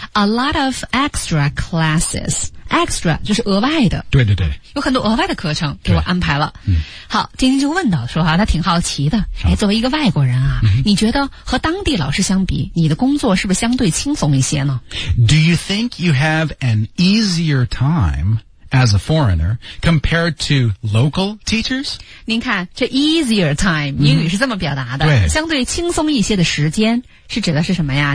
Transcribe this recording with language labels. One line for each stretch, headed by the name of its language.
English: a lot of extra classes. extra
Chinese: 就是额外的，对对对，有很多额外的课程给我安排了。好，晶晶就问到说，他挺好奇的，作为一个外国人啊，你觉得和当地老师相比，你的工作是不是相对轻松一些呢？
English: Do you think you have an easier time as a foreigner compared to local teachers?
Chinese: 您看这 easier time 英语是这么表达的，对，相对轻松一些的时间是指的是什么呀？